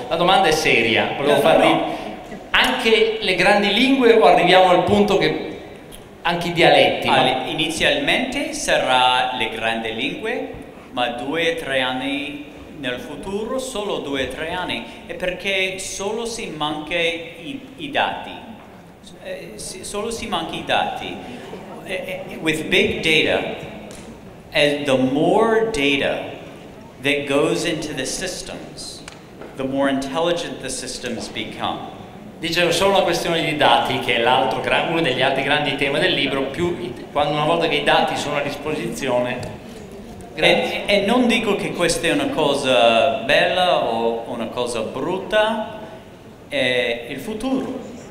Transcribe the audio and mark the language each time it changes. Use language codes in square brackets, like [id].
[it] La domanda è seria, volevo farvi... Anche le grandi lingue o arriviamo al punto che anche i dialetti? Ma... Inizialmente sarà le grandi lingue, ma 2-3 anni nel futuro, solo 2-3 anni, è perché solo si manca i dati. Solo si manca i dati. [en] With big data, and the more data that goes into the systems, the more intelligent the systems become. [it] Dicevo, solo una questione di dati, che è l'altro, uno degli altri grandi temi del libro, più quando una volta che i dati sono a disposizione. E non dico che questa è una cosa bella o una cosa brutta, è il futuro.